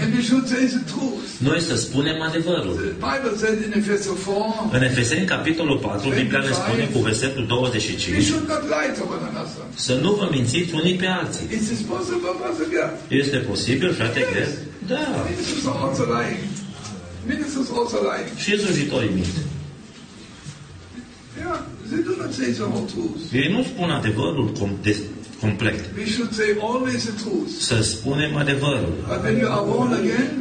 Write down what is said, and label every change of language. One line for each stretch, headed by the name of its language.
English: And we should say the truth.
Romanian: Noi să spunem adevărul.
English: The Bible said in Ephesians 4,
Romanian: în Efeseni capitolul 4, Biblia ne spune cu versetul 25.
English: We should not lie to one another.
Romanian: Să nu vă mințiți unii pe alții.
English: Is it possible, brother?
Romanian: Este posibil, frate?
English: Yes.
Romanian: Greb? Da.
English: Ministers are also lying. Ministers are also lying.
Romanian: Și slujitorii mint.
English: Yeah, they do not say the whole truth.
Romanian: Ei nu spun adevărul complet.
English: We should say always the truth.
Romanian: Să spunem adevărul.
English: But when you are born again,